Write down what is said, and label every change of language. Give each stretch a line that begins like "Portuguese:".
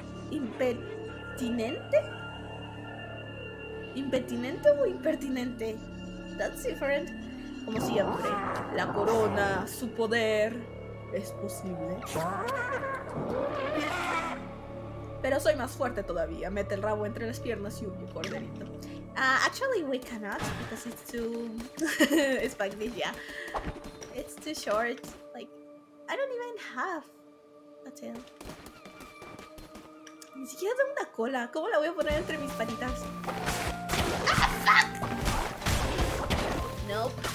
Spanish: ¿Impertinente? ¿Impertinente o impertinente?
English: That's different.
Spanish: Como siempre, la corona, su poder, es posible. Pero soy más fuerte todavía. Mete el rabo entre las piernas y huye, corderito.
English: Actually, we cannot because it's too. It's Spanglish, yeah. It's too short. Like, I don't even have a tail.
Spanish: Ni siquiera tengo una cola. ¿Cómo la voy a poner entre mis patitas? ¡Ah,
English: fuck! Nope.